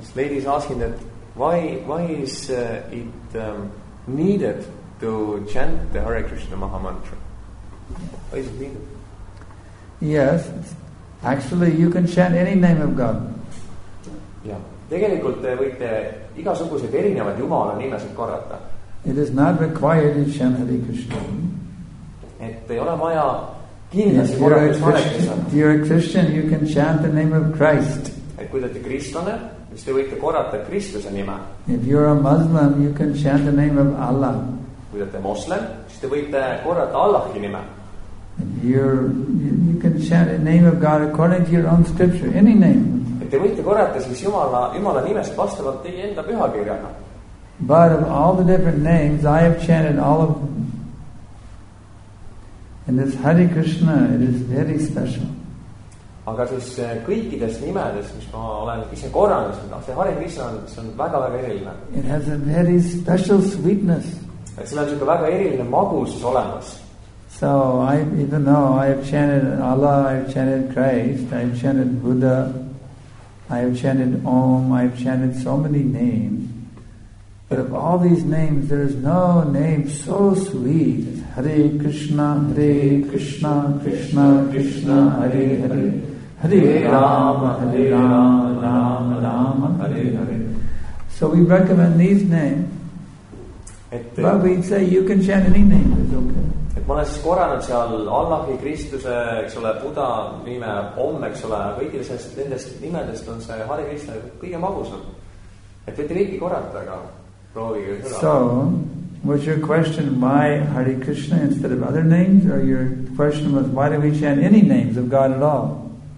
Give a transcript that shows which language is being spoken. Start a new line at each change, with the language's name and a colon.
English: This lady is asking that why is it needed to chant the Hare Krishna Maha Mantra? Yes, actually you can chant any name of God.
Estonian: Ja, tegelikult te võite igasugused erinevad Jumala nimesed korrata.
English: It is not required to chant Hare Krishna.
Estonian: Et ei ole vaja kindlasti korrata Hare Krishna.
English: If you're a Christian, you can chant the name of Christ.
Estonian: Et kui te olete kristlane, siis te võite korrata Kristuse nime.
English: If you're a Muslim, you can chant the name of Allah.
Estonian: Kui te olete moslem, siis te võite korrata Allahi nime.
English: You can chant the name of God according to your own scripture, any name.
Estonian: Te võite korrata siis Jumala nimest vastavalt teie enda pühakirjaga.
English: But of all the different names, I have chanted all of them. And this Hare Krishna, it is very special.
Estonian: Aga siis kõikides nimedes, mis ma olen ise korranud, see Hare Krishna on väga, väga eriline.
English: It has a very special sweetness.
Estonian: Et see on siuke väga eriline magus olemas.
English: So I even though I have chanted Allah, I have chanted Christ, I have chanted Buddha, I have chanted Om, I have chanted so many names. But of all these names, there is no name so sweet as Hare Krishna, Hare Krishna, Krishna, Krishna, Hare Hare, Hare Rama, Hare Rama, Rama, Rama, Hare Hare. So we recommend these names. But we say you can chant any name, it's okay.
Estonian: Ma olen siis korranud seal Allahi, Kristuse, eks ole, Buda nime, Om, eks ole, kõikidest nendest nimedest on see Hare Krishna kõige magusam. Et võite kõiki korrata, aga proovige seda.
English: So, was your question why Hare Krishna instead of other names? Or your question was why do we chant any names of God at all?